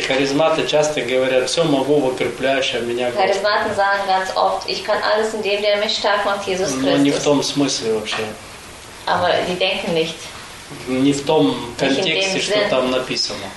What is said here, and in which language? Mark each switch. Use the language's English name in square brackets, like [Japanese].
[Russian] Харизматы часто говорят: все могу в укрепляющем меня. [German] Харизматы sagen ganz oft: ich kann alles in dem, der mich stark macht, Jesus Christus. [Russian] Но не в том смысле вообще. [German] Aber die denken nicht. [Russian] Не в том контексте, что там написано.